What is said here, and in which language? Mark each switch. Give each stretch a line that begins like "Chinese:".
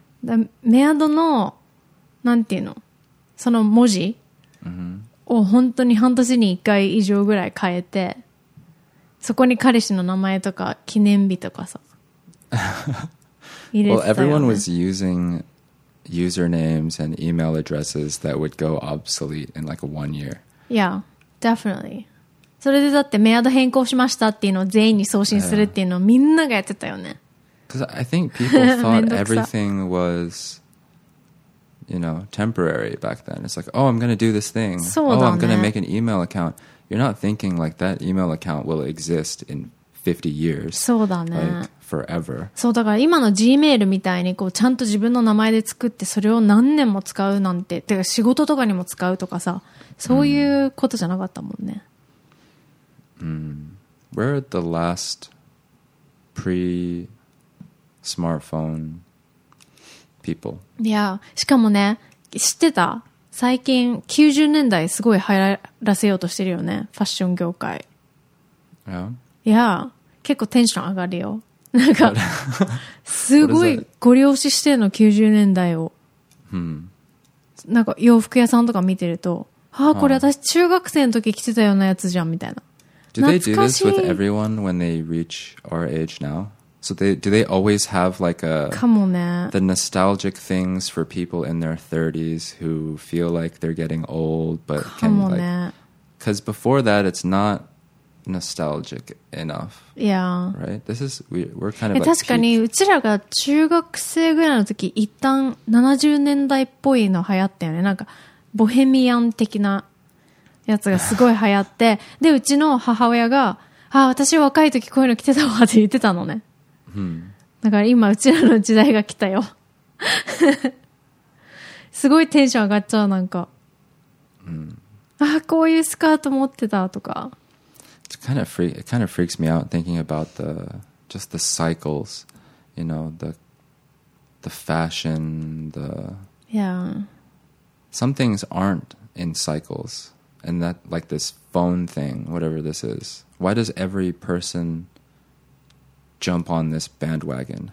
Japanese: だメアドの、なんていうの、その文字、 mm-hmm. を本当に半年に1回以上ぐらい変えて、そこに彼氏の名前とか、記念日とかさ、入れてたよね。
English: Well, everyone was using... usernames and email addresses that would go obsolete in like one year. Yeah, definitely.
Japanese: それでだってメアド変更しましたっていうのを全員に送信するっていうのをみんながやってたよね。
English: Because I think people thought everything was, you know, temporary back then. It's like, oh, I'm going to do this thing.
Japanese: そうだね。
English: Oh, I'm going to make an email account. You're not thinking like that email account will exist in 50 years.
Japanese: そうだね。
English: Like,Forever.
Japanese: そうだから今の Gmail みたいにこうちゃんと自分の名前で作ってそれを何年も使うなんて、てか仕事とかにも使うとかさ、そういうことじゃなかったもんね。
English: Where are the last pre-smartphone people?
Japanese: いや、しかもね、知ってた？最近90年代すごい流行らせようとしてるよね、ファッション業界。
English: Yeah.
Japanese: いや、結構テンション上がるよ。なんかすごいゴリ押ししてるの90年代を、なんか洋服屋さんとか見てると、ああこれ私中学生の時着てたようなやつじゃんみたいな。
English: Do they do this with everyone when they reach our age now? So they, do they always have like a... Come on, man. The nostalgic things for people in their 30s who feel like they're getting old, but come can on, like... Because before that, it's not nostalgic enough. Yeah. Right? This is... We're kind of like...
Japanese: 確かに、うちらが中学生ぐらいの時、一旦 70年代っぽいの流行ったよね。なんか、ボヘミアン的なやつがすごい流行って。で、うちの母親が...ああ、私若い時こういうの着てたわって言ってたのね。だから今うちらの時代が来たよ。すごいテンション上がっちゃう、なんか。ああ、こういうスカート持ってたとか。
English: It kind of freaks me out thinking about the just the cycles, you know, the fashion, the yeah. Some things aren't in cycles. And that, like this phone thing, whatever this is. Why does every person jump on this bandwagon?